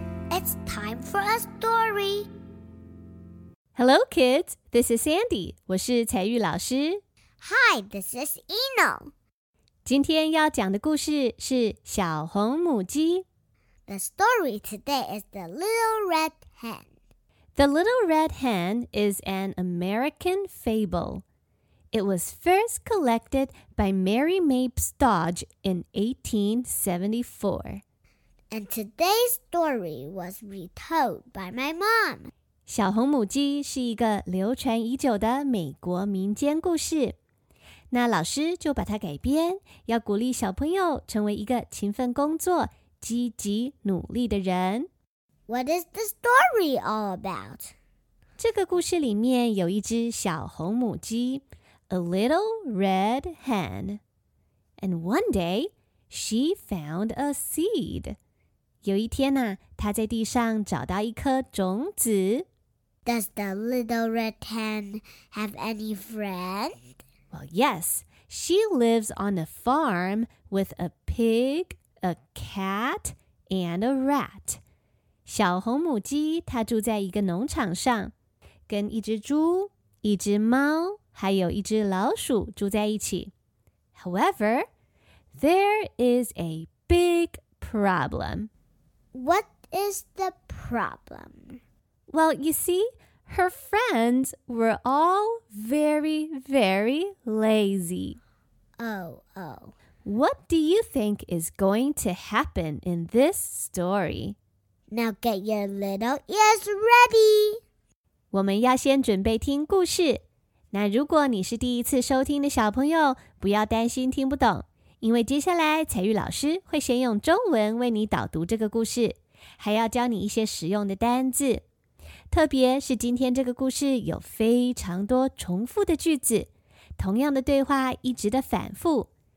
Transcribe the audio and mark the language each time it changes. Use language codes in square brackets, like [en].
[en] It's time for a story. Hello, kids. This is Sandy. [zh] 我是彩玉老师。 [en] Hi, this is Eno. [zh] 今天要讲的故事是小红母鸡。 [en] The story today is the Little Red Hen. The Little Red Hen is an American fable. It was first collected by Mary Mapes Dodge in 1874. And today's story was retold by my mom. [zh] 小红母鸡是一个流传已久的美国民间故事。那老师就把它改编，要鼓励小朋友成为一个勤奋工作、积极努力的人。 [en] What is the story all about? [zh] 这个故事里面有一只小红母鸡 ， [en] a little red hen. And one day, she found a seed. [zh] 有一天呢、啊，她在地上找到一颗种子。 [en] Does the little red hen have any friends? Well, yes, she lives on a farm with a pig, a cat, and a rat. [zh] 小红母鸡她住在一个农场上，跟一只猪、一只猫，还有一只老鼠住在一起。 [en] However, there is a big problem. What is the problem? Well, you see... Her friends were all very, very lazy. Oh. What do you think is going to happen in this story? Now get your little ears ready. [zh] 我们要先准备听故事。那如果你是第一次收听的小朋友，不要担心听不懂，因为接下来彩玉老师会先用中文为你导读这个故事，还要教你一些实用的单字。特别是今天这个故事有非常多重复的句子，同样的对话一直的反复。